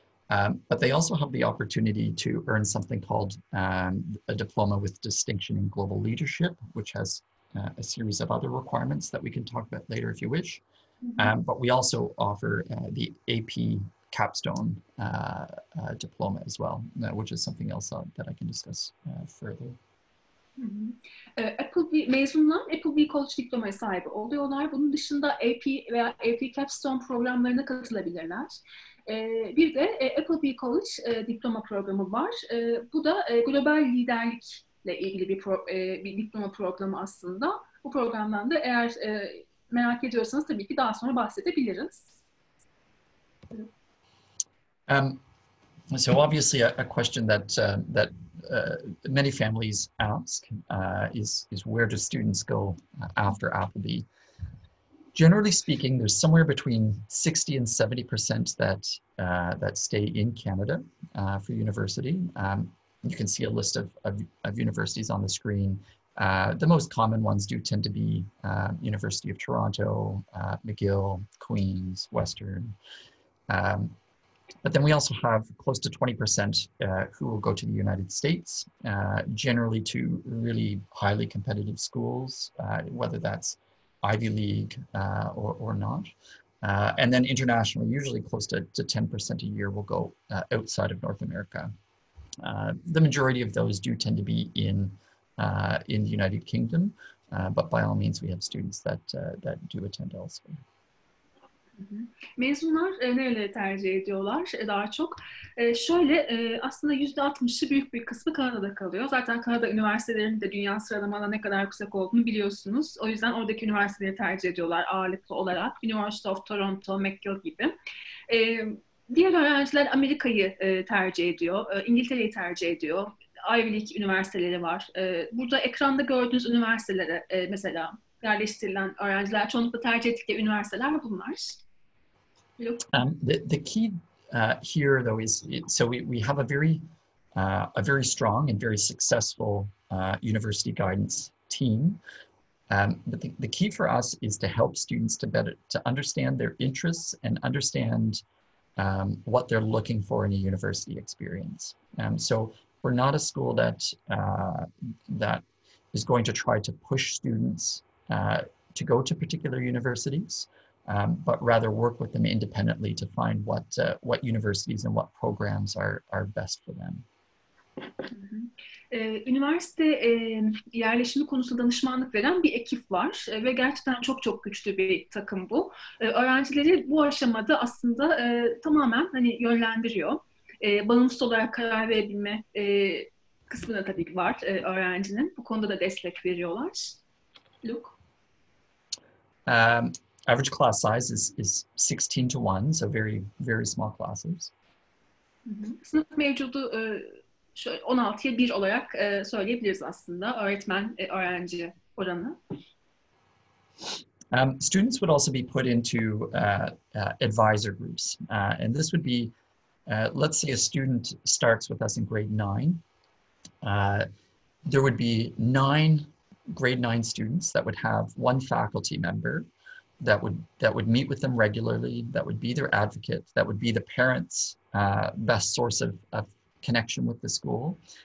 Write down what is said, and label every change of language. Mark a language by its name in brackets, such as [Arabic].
[English] But they also have the opportunity to earn something called a diploma with distinction in global leadership, which has a series of other requirements that we can talk about later if you wish. Mm-hmm. But we also offer the AP capstone diploma as well, which is something else that I can discuss further. [Turkish] Appleby mezunlar Appleby College diplomaya sahip oluyorlar. Bunun dışında AP veya AP Capstone programlarına katılabilirler. Bir de Appleby College diploma programı var. Bu da global liderlikle ilgili bir diploma programı aslında. Bu programdan da eğer merak ediyorsanız tabii ki daha sonra bahsedebiliriz. [English] So obviously a question that that many families ask is where do students go after Appleby? Generally speaking, there's somewhere between 60 and 70% that stay in Canada for university. You can see a list of universities on the screen. The most common ones do tend to be University of Toronto, McGill, Queen's, Western. But then we also have close to 20% who will go to the United States, generally to really highly competitive schools, whether that's Ivy League or not. And then international, usually close to 10% a year will go outside of North America. The majority of those do tend to be in the United Kingdom, but by all means, we have students that do attend elsewhere. [Turkish] Mezunlar nereleri tercih ediyorlar daha çok? Şöyle, aslında %60'ı büyük bir kısmı Kanada'da kalıyor. Zaten Kanada üniversitelerinde dünya sıralamada ne kadar yüksek olduğunu biliyorsunuz. O yüzden oradaki üniversiteleri tercih ediyorlar ağırlıklı olarak. University of Toronto, McGill gibi. Diğer öğrenciler Amerika'yı tercih ediyor, İngiltere'yi tercih ediyor. Ivy League üniversiteleri var. Burada ekranda gördüğünüz üniversitelere mesela yerleştirilen öğrenciler çoğunlukla tercih ettikleri üniversiteler bunlar. [English] The key here though is we have a very strong and very successful university guidance team. But the key for us is to help students to better to understand their interests and understand what they're looking for in a university experience. So we're not a school that that is going to try to push students to go to particular universities, but rather work with them independently to find what universities and what programs are best for them. [Turkish] Üniversite yerleşimi konusunda danışmanlık veren bir ekip var ve gerçekten çok çok güçlü bir takım bu. Öğrencileri bu aşamada aslında tamamen hani yönlendiriyor. Bağımsız olarak karar verebilme kısmı da tabii var öğrencinin. Bu konuda da destek veriyorlar. Luke? [English] Average class size is 16 to 1, so very, very small classes. Mm-hmm. [Turkish] Sınıf mevcudu 16'ya 1 olarak söyleyebiliriz aslında, öğretmen-öğrenci oranı. [English] Students would also be put into advisor groups, and this would be, let's say a student starts with us in grade 9. There would be 9 grade 9 students that would have one faculty member that would meet with them regularly, that would be their advocate, that would be the parents' best source of connection with the school.